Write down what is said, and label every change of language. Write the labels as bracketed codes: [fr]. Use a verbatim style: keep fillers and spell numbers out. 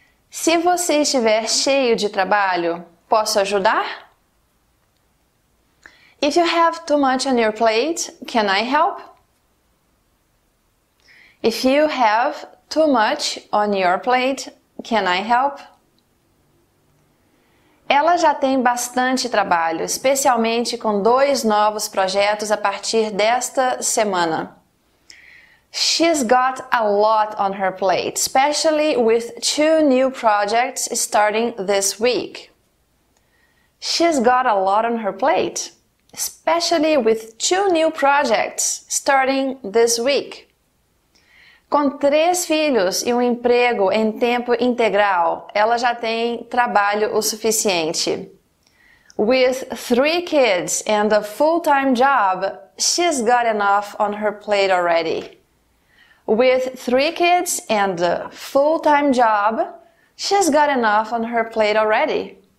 [pt] Se você estiver cheio de trabalho, posso ajudar? [en] If you have too much on your plate, can I help? If you have too much on your plate, can I help? [pt] Ela já tem bastante trabalho, especialmente com dois novos projetos a partir desta semana. [en] She's got a lot on her plate, especially with two new projects starting this week. She's got a lot on her plate, especially with two new projects starting this week. [pt] Com três filhos e um emprego em tempo integral, ela já tem trabalho o suficiente. [en] With three kids and a full-time job, she's got enough on her plate already. With three kids and a full-time job, she's got enough on her plate already.